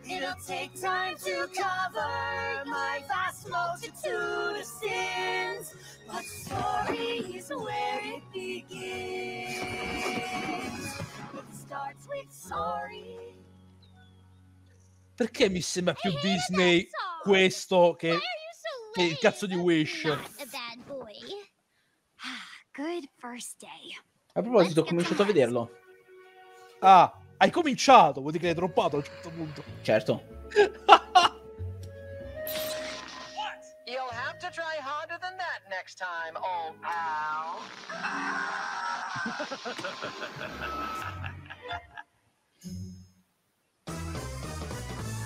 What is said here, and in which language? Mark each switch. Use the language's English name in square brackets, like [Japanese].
[English] It'll take time to cover my vast multitude of sins, but sorry is where it begins. It starts with sorry. [Italian] Perché mi sembra più Disney questo che il cazzo di Wish? [English] Good first day. [Italian] A proposito, ho cominciato a vederlo. Ah, hai cominciato, vuol dire che l'hai droppato a un certo punto. Certo. [English] You'll have to try harder than that next time, old pal.